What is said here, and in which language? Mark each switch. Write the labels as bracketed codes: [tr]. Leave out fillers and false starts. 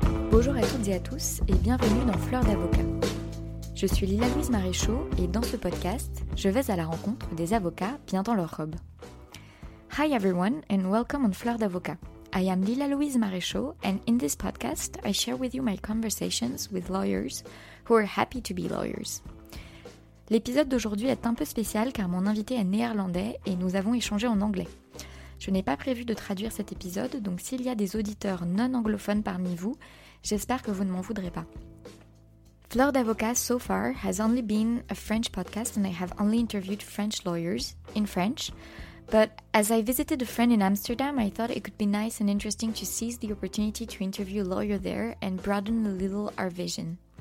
[fr] Bonjour à toutes et à tous et bienvenue dans Fleurs d'avocat. Je suis Lila-Louise Maréchaux et dans ce podcast, je vais à la rencontre des avocats bien dans leur robe. [en] Hi everyone and welcome on Fleurs d'avocat. I am Lila-Louise Maréchaux and in this podcast, I share with you my conversations with lawyers who are happy to be lawyers. [fr] L'épisode d'aujourd'hui est un peu spécial car mon invité est néerlandais et nous avons échangé en anglais. Je n'ai pas prévu de traduire cet épisode, donc s'il y a des auditeurs non anglophones parmi vous, j'espère que vous ne m'en voudrez pas. [en] Fleurs d'avocat, so far, has only been a French podcast and I have only interviewed French lawyers in French. But as I visited a friend in Amsterdam, I thought it could be nice and interesting to seize the opportunity to interview a lawyer there and broaden a little our vision.